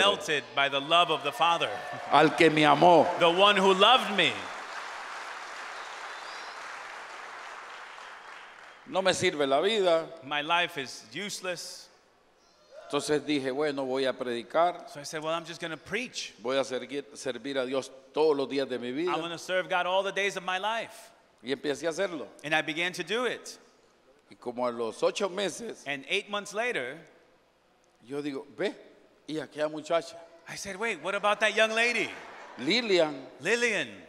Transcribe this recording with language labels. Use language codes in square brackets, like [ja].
[en] If you're melted by the love of the Father. [es] Al que me amó. [en] The one who loved me. [es] No me sirve la vida. [en] My life is useless. [es] Entonces dije, bueno, voy a predicar. [en] So I said, well, I'm just going to preach. [es] Voy a servir a Dios todos los días de mi vida. [en] I'm going to serve God all the days of my life. [es] Y empecé a hacerlo. [en] And I began to do it. [es] Y como a los 8 meses. [en] And 8 months later. [es] Yo digo, ve, y aquella muchacha. [en] I said, wait, what about that young lady? [es] Lillian. [en] Lillian.